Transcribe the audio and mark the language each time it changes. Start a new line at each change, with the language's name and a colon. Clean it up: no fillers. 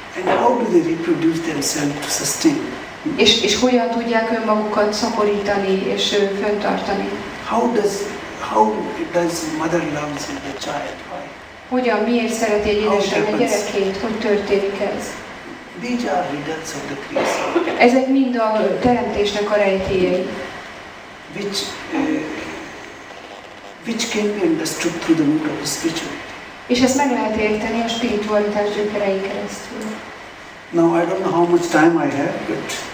English: And how do they reproduce themselves to sustain?
Hungarian: És hogyan tudják önmagukat szaporítani és fönntartani?
English: How does mother loves the child? Why?
Hungarian: Hogyan, miért szereti egy édesanyja a gyerekét? Hogy történik ez?
English: These are riddles of the creation.
Hungarian: Ezek mind a teremtésnek a rejtélyei.
English: Which can be understood through the root of spirituality.
Hungarian: És ezt meg lehet érteni a spiritualitás gyökerei keresztül.
English: Now I don't know how much time I have, but